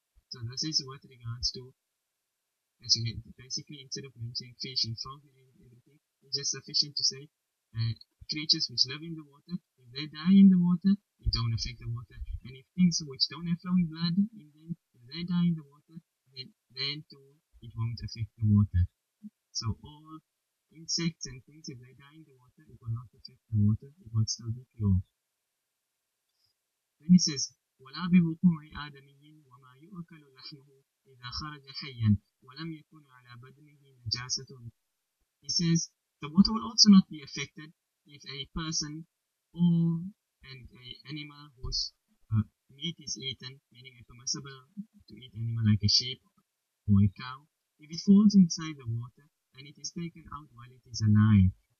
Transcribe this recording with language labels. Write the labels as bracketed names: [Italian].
[English] So this is with regards to, as you get, basically instead of mentioning fish and frog and everything, it's just sufficient to say creatures which live in the water, if they die in the water, it don't affect the water. And if things which don't have flowing blood in them, if they die in the water, then too, it won't affect the water. So all insects and things, if they die in the water, it will not affect the water, it will still be pure. [Arabic] Then he says, وَلَا بِوُقُوعِ آدَمِيٍّ وَمَا يُؤَكَلُ لَحْمُهُ إِذَا خَرَجَ حَيًّا وَلَمْ يَكُنْ عَلَى بَدْنِهِ نَجَاسَةٌ. [English] He says, the water will also not be affected if a person or an animal whose meat is eaten, meaning a permissible to eat animal like a sheep or a cow, if it falls inside the water and it is taken out while it is alive,